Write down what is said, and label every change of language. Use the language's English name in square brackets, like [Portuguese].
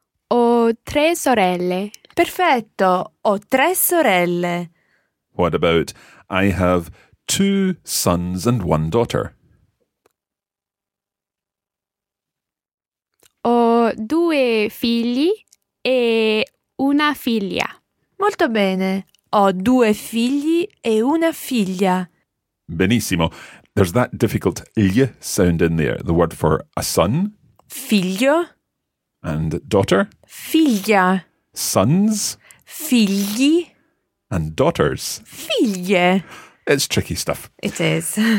[Italian] Ho tre sorelle. Perfetto. Ho tre sorelle. [English] What about I have two sons and one daughter? [Italian] Ho due figli e una figlia. Molto bene. Ho due figli e una figlia. Benissimo. [English] There's that difficult gli sound in there. The word for a son. [Italian] Figlio. [English] And daughter. [Italian] Figlia. [English] Sons. [Italian] Figli. [English] And daughters. [Italian] Figlie. [English] It's tricky stuff. It is.